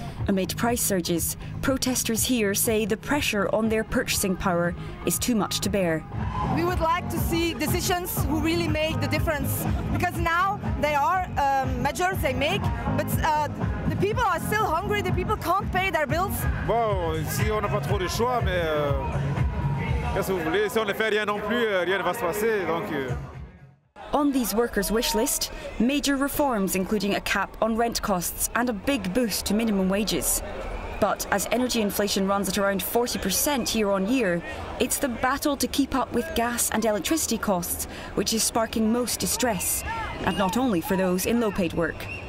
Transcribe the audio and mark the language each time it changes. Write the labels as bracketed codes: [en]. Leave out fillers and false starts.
[en] Amid price surges, protesters here say the pressure on their purchasing power is too much to bear. We would like to see decisions who really make the difference, because now they are measures they make, but the people are still hungry, the people can't pay their bills. [fr] Well, ici on n'a pas trop de choix, mais qu'est-ce que vous voulez? Si on ne fait rien non plus, rien ne va se passer, donc. [en] On these workers' wish list, major reforms including a cap on rent costs and a big boost to minimum wages. But as energy inflation runs at around 40% year on year, it's the battle to keep up with gas and electricity costs which is sparking most distress, and not only for those in low-paid work.